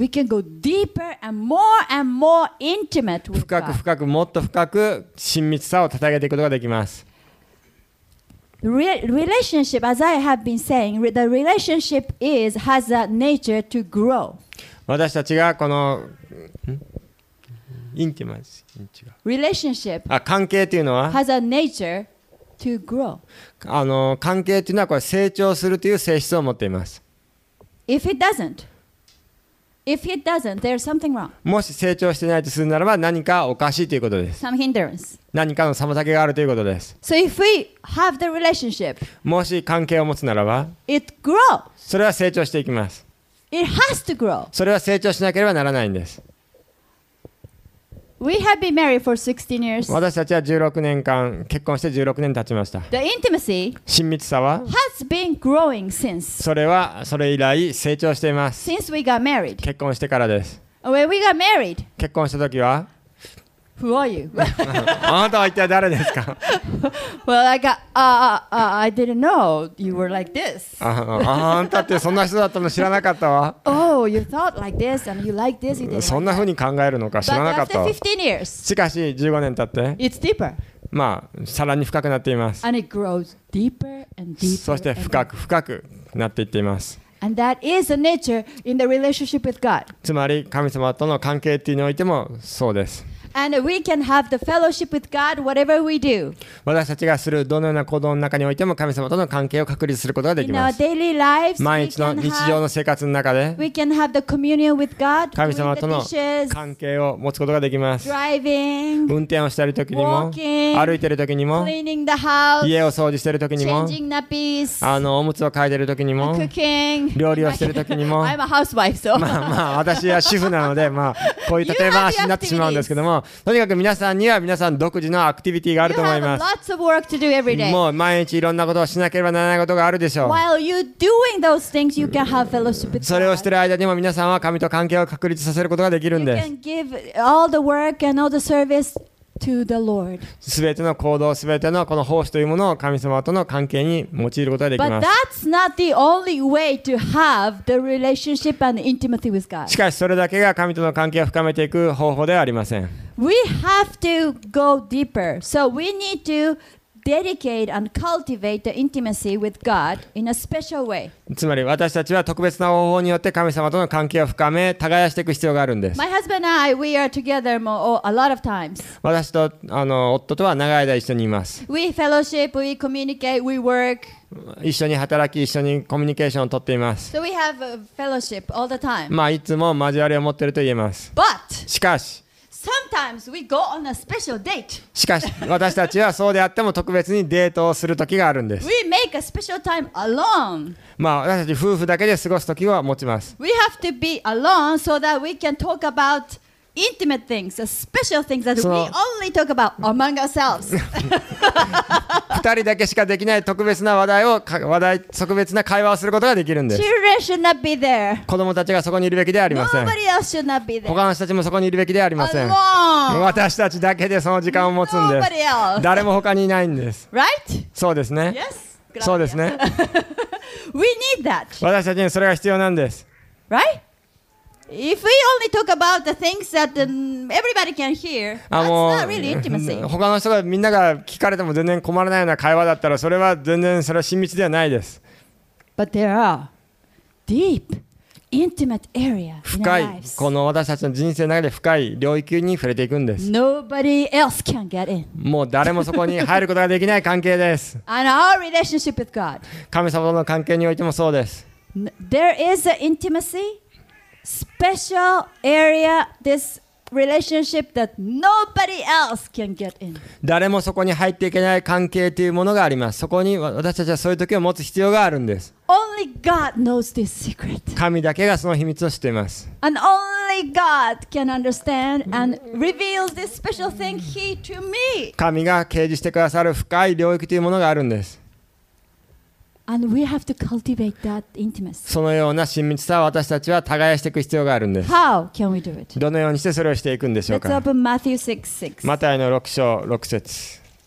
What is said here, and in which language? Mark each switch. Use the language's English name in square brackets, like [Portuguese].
[English] We can go deeper and more and more intimate with God. [Japanese] 深く深くもっと深く親密さを叩けていくことができます。 [English] Relationship, as I have been saying, the relationship has a nature to grow. [Japanese] 私たちがこのインティマシー、 [English] relationship, [Japanese] 関係というのは [English] has a nature. To grow. [Japanese] 関係というのはこれ成長するという性質を持っています。 [English] If it doesn't, there's something wrong. [Japanese] もし成長してないとするならば何かおかしいということです。 [English] Some hindrance. [Japanese] 何かの妨げがあるということです。 [English] So if we have the relationship, [Japanese] もし関係を持つならば [English] it grows. [Japanese] それは成長していきます。 [English] It has to grow. [Japanese] それは成長しなければならないんです。 [English] We have been married for 16 years. [Japanese] 私たちは16年間結婚して16年経ちました。 [English] The intimacy [Japanese] 親密さは [English] has been growing since. [Japanese] それはそれ以来成長しています。 [English] Since we got married. [Japanese] 結婚してからです。 [English] When we got married. [Japanese] 結婚した時は [English] Who are you? [Japanese] あなたは一体誰ですか [English] Well, I got, I didn't know you were like this. [Japanese] あなたってそんな人だったの知らなかったわ。 [English] Oh, you thought like this and you like this. [Japanese] そんな風に考えるのか知らなかったわ。 [English] But after 15 years, [Japanese] しかし15年経って [English] It's deeper. [Japanese] まあ、さらに深くなっています。 [English] And it grows deeper and deeper. [Japanese] そして深く深くなっていっています。 [English] And that is the nature in the relationship with God. [Japanese] つまり神様との関係っていうのにおいてもそうです。 [English] And we can have the fellowship with God, whatever we do. [Japanese] 私たちがするどのような行動の中においても神様との関係を確立することができます。 [English] In our daily lives, [Japanese] 毎日の日常の生活の中で、 [English] we can have the communion with God, [Japanese] 神様との関係を持つことができます。 [English] Driving, [Japanese] 運転をしている時にも、 [English] walking, [Japanese] 歩いている時にも、 [English] cleaning the house, [Japanese] 家を掃除している時にも、 [English] changing nappies, [Japanese] おむつを替えている時にも、 [English] cooking, [Japanese] 料理をしている時にも、 [English] I'm a housewife, so. [Japanese] まあ、私は主婦なので、まあ、こういう例え話になってしまうんですけども。とにかく皆さんには皆さん独自のアクティビティがあると思います。 [English] You have lots of work to do every day. [Japanese] もう毎日いろんなことをしなければならないことがあるでしょう。 [English] While you're doing those things, you can have fellowship with God. [Japanese] それをしている間にも皆さんは神と関係を確立させることができるんです。 [English] You can give all the work and all the service to the Lord. [Japanese] すべての行動、すべてのこの奉仕というものを神様との関係に用いることができます。 [English] But that's not the only way to have the relationship and intimacy with God. [Japanese] しかしそれだけが神との関係を深めていく方法ではありません。 [English] We have to go deeper. So we need to dedicate and cultivate the intimacy with God in a special way. [Japanese] つまり私たちは特別な方法によって神様との関係を深め耕していく必要があるんです。 [English] My husband and I, we are together more, a lot of times. [Japanese] 私と夫とは長い間一緒にいます。 [English] We fellowship, we communicate, we work. [Japanese] 一緒に働き、一緒にコミュニケーションをとっています。 [English] So we have a fellowship all the time. [Japanese] まあいつも交わりを持っていると言えます。 [English] But! [Japanese] しかし、 [English] Sometimes we go on a special date. [Japanese] しかし私たちはそうであっても特別にデートをする時があるんです。 [English] We make a special time alone. [Japanese] まあ私たち夫婦だけで過ごす時は持ちます。 [English] We have to be alone so that we can talk aboutintimate things, special things that we only talk about among ourselves. [Japanese] 二人だけしかできない特別な話題、特別な会話をすることができるんです。 [English] Children should not be there. [Japanese] 子供たちがそこにいるべきではありません。 [English] Nobody else should not be there. [Japanese] 他の人たちもそこにいるべきではありません。 [English] Alone. [Japanese] 私たちだけでその時間を持つんです。 [English] Nobody else. [Japanese] 誰も他にいないんです。 [English] Right? [Japanese] そうですね。 [English] Yes. [Japanese] そうですね。 [English] We need that. [Japanese] 私たちにそれが必要なんです。 [English] Right? If we only talk about the things that everybody can hear, that's not really intimacy. [Japanese] 他の人がみんなが聞かれても全然困らないような会話だったら、それは全然それは親密ではないです。 [English] But there are deep, intimate area in our lives. [Japanese] 深いこの私たちの人生の中で深い領域に触れていくんです。 [English] Nobody else can get in. [Japanese] もう誰もそこに入ることができない関係です。 [English] And our relationship with God. [Japanese] 神様との関係においてもそうです。 [English] There is an intimacy. Special area, this relationship that nobody else can get in. [Japanese] 誰もそこに入っていけない関係というものがあります。そこに私たちはそういう時を持つ必要があるんです。 [English] Only God knows this secret. [Japanese] 神だけがその秘密を知っています。 [English] And only God can understand and reveal this special thing He to me. [Japanese] 神が掲示してくださる深い領域というものがあるんです。 [English] And we have to cultivate that intimacy. [Japanese] そのような親密さを私たちは耕していく必要があるんです。 [English] How can we do it? [Japanese] どのようにしてそれをしていくんでしょうか。 [English] Let's open Matthew 6:6. [Japanese] マタイの6章6節。